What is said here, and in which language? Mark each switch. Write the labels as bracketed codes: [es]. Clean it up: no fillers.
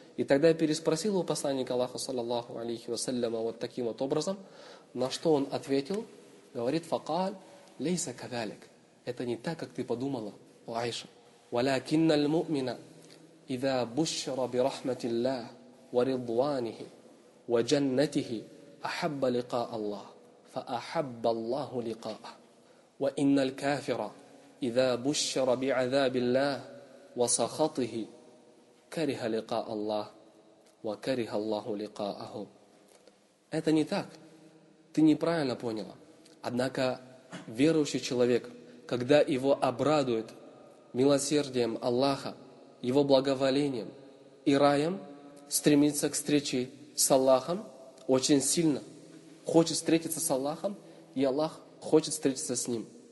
[ru] И тогда я переспросил у посланника Аллаха, саллаллаху алейхи вассаляма, вот таким вот образом, на что он ответил, говорит: [ar] «Факаль, лейса кавалик». [ru] Это не так, как ты подумала, о Аиша. [ar] «Валякинна л-му'мина, иза бушра би рахмати Аллах, ва ридуанихи, ва джаннатихи, ахабба лика Аллах, фа ахабба Аллаху лика». وإن الكافر إذا بشر بعذاب الله وسخطه كره لقاء الله وكره الله لقاءه. [ru] Это не так. Ты неправильно поняла. Однако верующий человек, когда его обрадует милосердием Аллаха, его благоволением и раем, стремится к встрече с Аллахом очень сильно, хочет встретиться с Аллахом, и Аллах хочет встретиться с ним.